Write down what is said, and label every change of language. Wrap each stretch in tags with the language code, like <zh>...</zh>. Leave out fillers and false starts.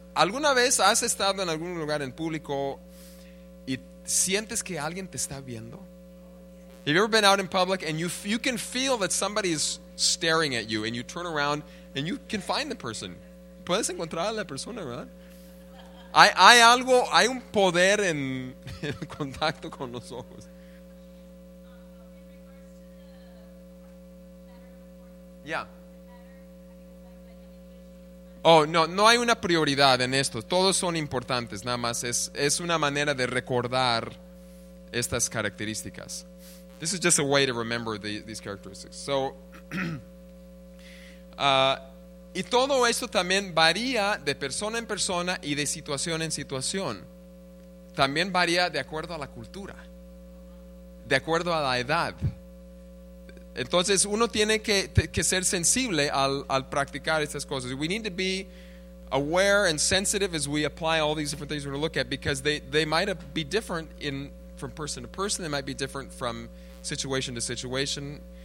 <es>¿Alguna vez has estado en algún lugar en público y sientes que alguien te está viendo?</es> <en>Have you ever been out in public and you can feel that somebody is staring at you, and you turn around and you can find the person?</en> <es>Puedes encontrar a la persona, ¿verdad? Hay algo, hay un poder en el contacto con los ojos. Yeah. Oh, no hay una prioridad en esto. Todos son importantes, nada más. Es una manera de recordar estas características.</es> <en>This is just a way to remember these characteristics.</en> <es>So, y todo esto también varía de persona en persona y de situación en situación. También varía de acuerdo a la cultura, de acuerdo a la edad. Entonces uno tiene que ser sensible al practicar estas cosas.</es> <en>We need to be aware and sensitive as we apply all these different things we're going to look at, because they might be different from person to person. They might be different from situation to situation.</en>